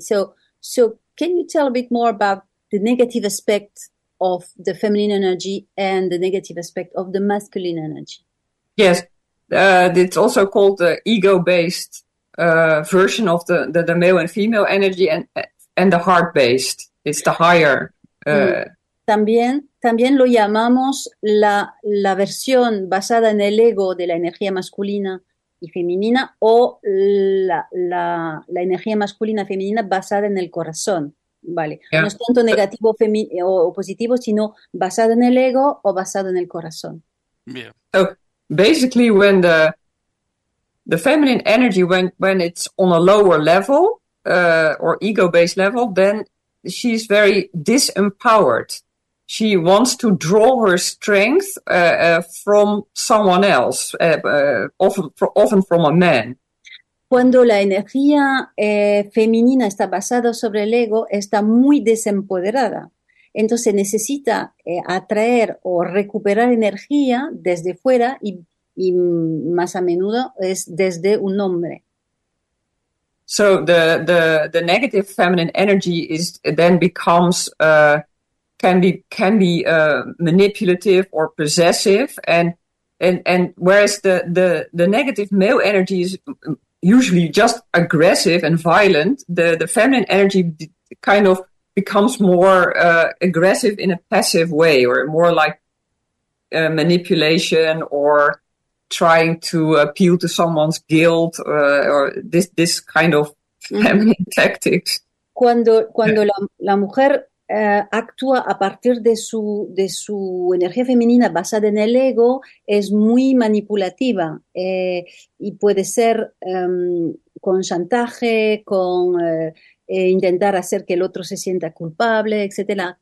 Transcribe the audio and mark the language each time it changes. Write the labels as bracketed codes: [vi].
[en] So, can you tell a bit more about the negative aspect of the feminine energy and the negative aspect of the masculine energy? Yes, it's also called the ego-based version of the male and female energy, and the heart-based is the higher. [es] También lo llamamos la versión basada en el ego de la energía masculina y femenina, o la energía masculina y femenina basada en el corazón. Vale, no es tanto negativo o positivo, sino basado en el ego o basado en el corazón. [en] Yeah. So basically, when the feminine energy, when it's on a lower level, or ego-based level, then she's very disempowered. She wants to draw her strength from someone else, often from a man. [es] Cuando la energía femenina está basada sobre el ego, está muy desempoderada. Entonces necesita atraer o recuperar energía desde fuera y más a menudo es desde un hombre. [en] So the negative feminine energy is then becomes can be manipulative or possessive, and whereas the negative male energy is usually just aggressive and violent, the feminine energy kind of becomes more aggressive in a passive way, or more like manipulation or trying to appeal to someone's guilt, or this kind of feminine tactics. [es] Cuando la mujer actúa a partir de su energía femenina basada en el ego, es muy manipulativa y puede ser con chantaje, con intentar hacer que el otro se sienta culpable, etcétera.